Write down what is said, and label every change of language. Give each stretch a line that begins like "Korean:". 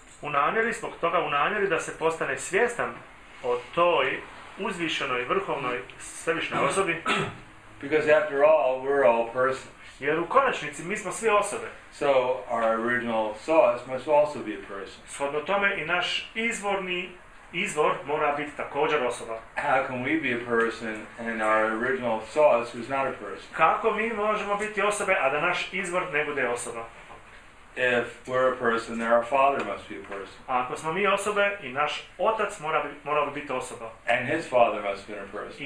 Bosnian: u namjeri da se postane svjestan o toj uzvišenoj vrhovnoj svevišnjoj osobi,
English: because after all we're all persons.
Bosnian: Jer u konačnici mi smo sve osobe.
English: So our original source must also be a person.
Bosnian: Shodno tome i naš izvor mora biti također osoba.
English: How can we be a person and our original source who's not a person?
Bosnian: Kako mi možemo biti osobe a da naš izvor ne bude osoba?
English: If we're a person, then our father must be a person.
Bosnian: A ako smo mi osobe i naš otac morao bi biti osoba.
English: And his father must be a person.